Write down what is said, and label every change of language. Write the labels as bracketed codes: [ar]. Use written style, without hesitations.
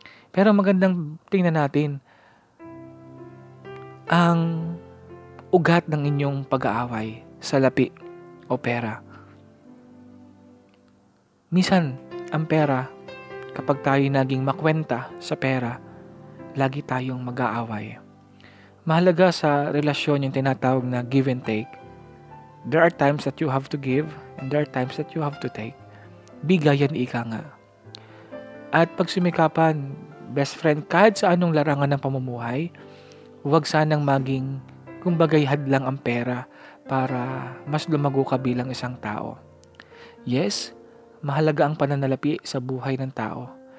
[tl] Pero magandang tingnan natin ang ugat ng inyong pag-aaway sa lapi o pera. Minsan, ang pera, kapag tayo naging makwenta sa pera, lagi tayong mag-aaway. Mahalaga sa relasyon yung tinatawag na give and take. [en] There are times that you have to give and there are times that you have to take. [tl] Bigayan, ika nga. At pag sumikapan, best friend, kahit sa anong larangan ng pamumuhay, huwag sanang maging kumbagay hadlang ang pera para mas lumago ka bilang isang tao. Yes, mahalaga ang pananalapi sa buhay ng tao.